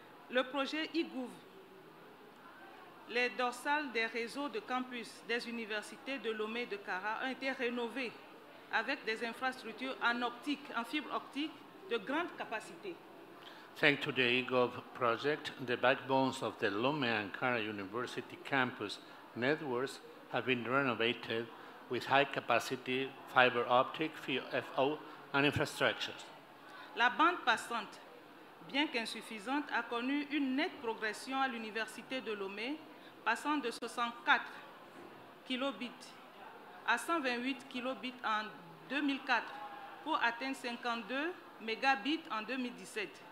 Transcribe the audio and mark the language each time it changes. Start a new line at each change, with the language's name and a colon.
French: le projet IGOUV, les dorsales des réseaux de campus des universités de Lomé et de Kara ont été rénovées avec des infrastructures en optique, en fibre optique de grande capacité.
English: Thanks to the IGOUV project, the backbones of the Lomé and Kara University campus networks have been renovated with high capacity fiber optic, FO, and infrastructures.
French: La bande passante, bien qu'insuffisante, a connu une nette progression à l'Université de Lomé, passant de 64 kilobits à 128 kilobits en 2004 pour atteindre 52 mégabits en 2017.